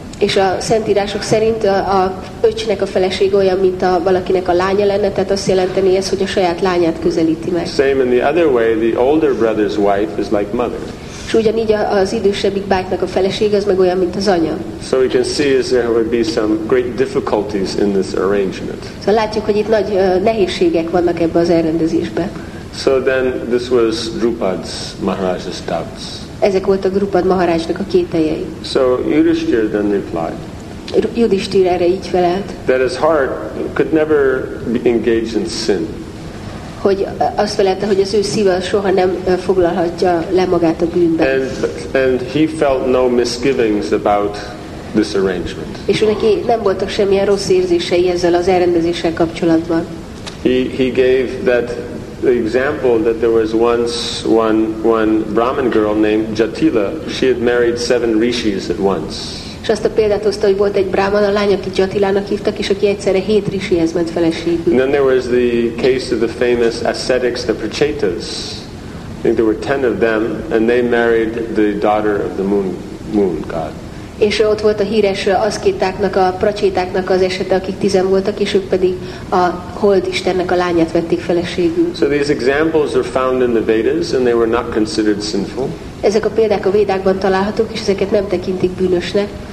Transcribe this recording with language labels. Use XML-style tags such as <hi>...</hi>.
<hu>És a szentírások szerint a öcsnek a felesége olyan, mint a valakinek a lánya lenne, tehát azt jelenteni ez, hogy a saját lányát közelíti meg.</hu> <en>Same in the other way, the older brother's wife is like mother.</en> <hu>És ugyanígy az idősebbik bátynak a felesége az meg olyan, mint az anya.</hu> <en>So we can see is there would be some great difficulties in this arrangement.</en> <hu>So látjuk, hogy itt nagy nehézségek vannak ebbe az elrendezésbe.</hu> <en>So then this was Drupad's Maharaj's doubts.</en> <hu>Ezek voltak Drupad Maharajnak a kételjei.</hu> <en>So Yudhishthira then replied.</en> <hu>Yudhishthira erre így felelt.</hu> <en>That his heart could never be engaged in sin.</en> <hu>Hogy azt felelte, hogy az ő szíve soha nem foglalhatja le magát a bűnben.</hu> <en>And he felt no misgivings about this arrangement.</en> <hu>És neki nem voltak semmilyen rossz érzései ezzel az elrendezéssel kapcsolatban.</hu> <en>He gave that example that there was once one Brahmin girl named Jatila. She had married 7 rishis at once.</en> <hu>És azt a példát hozta, hogy volt egy brahmana lány, akit Jatilának hívtak, és aki egyszerre 7 rishihez ment feleségül.</hu> <en>Then there was the case of the famous ascetics, the Prachetas. I think there were 10 of them, and they married the daughter of the moon god.</en> <hu>És ott volt a híres aszkétáknak, a pracsétáknak az esete, akik 10 voltak, és ők pedig a holdistennek a lányát vették feleségül.</hu> <en>So these examples are found in the Vedas, and they were not considered sinful.</en> <hu>Ezek a példák a Védákban találhatók, és ezeket nem tekintik bűnösnek.</hu>